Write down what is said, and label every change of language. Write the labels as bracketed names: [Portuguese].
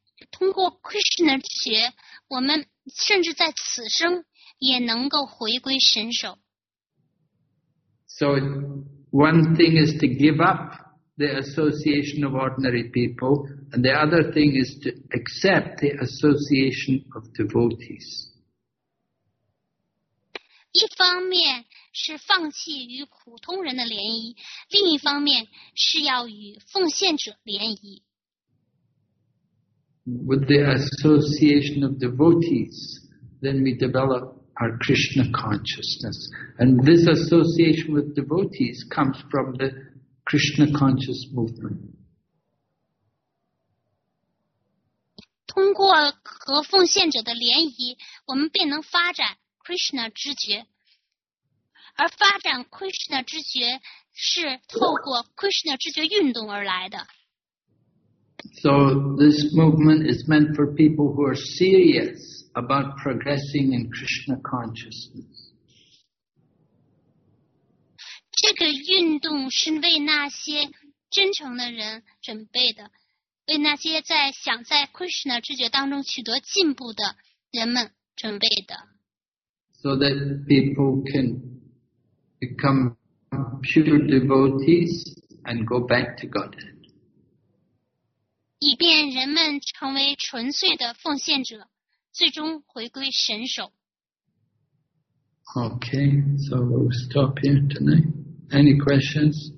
[Chinese] 通过 Krishna 知觉，我们甚至在此生也能够回归神首。 [English] So one thing is to give up the association of ordinary people, and the other thing is to accept the association of devotees. [Chinese] 一方面是放弃与普通人的联谊，另一方面是要与奉献者联谊。 [English] With the association of devotees, then we develop our Krishna consciousness. And this association with devotees comes from the Krishna conscious movement. [Chinese] 通过和奉献者的联谊，我们便能发展 Krishna 知觉。而发展 Krishna 知觉是透过 Krishna 知觉运动而来的。 [English] So this movement is meant for people who are serious about progressing in Krishna consciousness. [Chinese] 这个运动是为那些真诚的人准备的，为那些在想在 Krishna 知觉当中取得进步的人们准备的。 [English] So that people can become pure devotees and go back to Godhead. [Chinese] 以便人们成为纯粹的奉献者，最终回归神手。 [English] Okay, so we'll stop here tonight. Any questions?